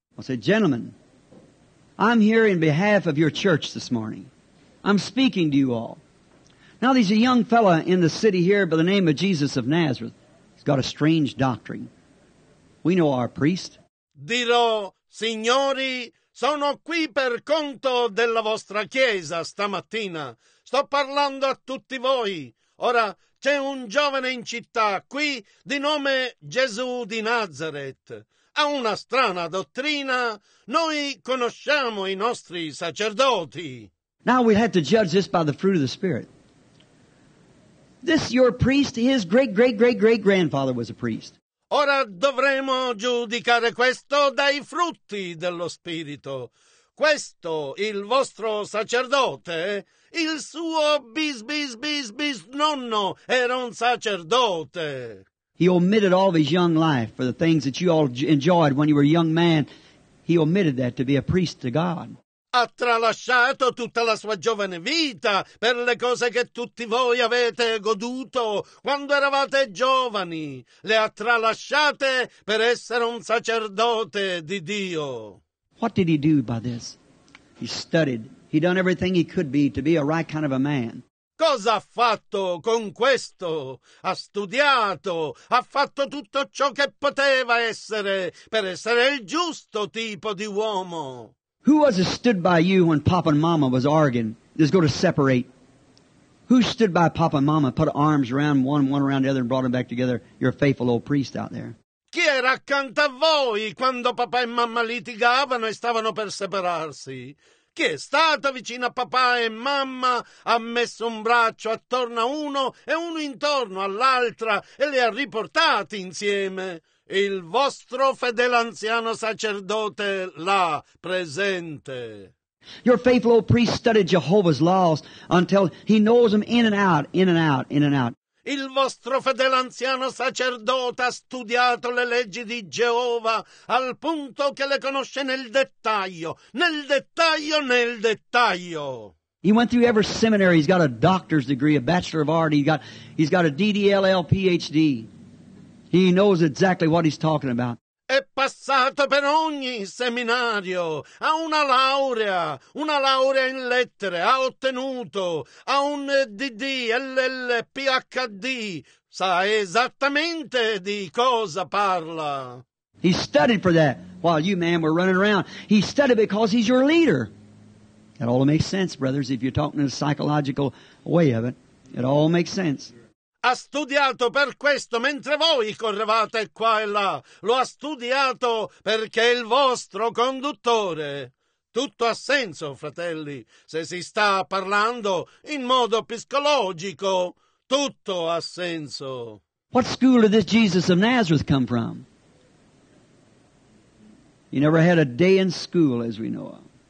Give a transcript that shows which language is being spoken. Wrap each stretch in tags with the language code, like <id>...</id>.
<en>I say, gentlemen, I'm here in behalf of your church this morning. I'm speaking to you all. Now there's a young fellow in the city here by the name of Jesus of Nazareth. He's got a strange doctrine. We know our priest.</en> <it>Dirò, signori, sono qui per conto della vostra chiesa stamattina. Sto parlando a tutti voi. Ora, c'è un giovane in città qui di nome Gesù di Nazareth. Ha una strana dottrina. Noi conosciamo i nostri sacerdoti.</it> <en>Now we have to judge this by the fruit of the Spirit. This your priest, his great-great-great-great-grandfather was a priest.</en> <it>Ora dovremo giudicare questo dai frutti dello Spirito. Questo, il vostro sacerdote, il suo bis-bis-bis-bis-nonno era un sacerdote.</it> <en>He omitted all of his young life for the things that you all enjoyed when you were a young man. He omitted that to be a priest to God.</en> <it>Ha tralasciato tutta la sua giovane vita per le cose che tutti voi avete goduto quando eravate giovani. Le ha tralasciate per essere un sacerdote di Dio.</it> <en>What did he do by this? He studied. He done everything he could be to be a right kind of a man.</en> <it>Cosa ha fatto con questo? Ha studiato, ha fatto tutto ciò che poteva essere per essere il giusto tipo di uomo.</it> <en>Who was it stood by you when Papa and Mama was arguing, just going to separate? Who stood by Papa and Mama, put arms around one around the other, and brought them back together? Your faithful old priest out there.</en> <it>Chi era accanto a voi quando Papa e Mamma litigavano e stavano per separarsi? perché è stata vicina a papà e mamma, ha messo un braccio attorno a uno e uno intorno all'altra e le ha riportati insieme. Il vostro fedele anziano sacerdote là presente.</it> <en>Your faithful old priest studied Jehovah's laws until he knows them in and out, in and out, in and out.</en> <it>Il vostro fedele anziano sacerdote ha studiato le leggi di Geova al punto che le conosce nel dettaglio, nel dettaglio, nel dettaglio.</it> <en>He went through every seminary. He's got a doctor's degree, a bachelor of art. He's got a DDLL PhD. He knows exactly what he's talking about.</en> <it>È passato per ogni seminario, ha una laurea in lettere, ha ottenuto, ha un DDLL PhD, sa esattamente di cosa parla.</it> <en>He studied for that while you man were running around. He studied because he's your leader. It all makes sense, brothers, if you're talking in a psychological way of it. It all makes sense.</en> <it>Ha studiato per questo mentre voi correvate qua e là. Lo ha studiato perché è il vostro conduttore. Tutto ha senso, fratelli, se si sta parlando in modo psicologico. Tutto ha senso.</it> <en>What school did this Jesus of Nazareth come from? He never had a day in school as we know of.</en>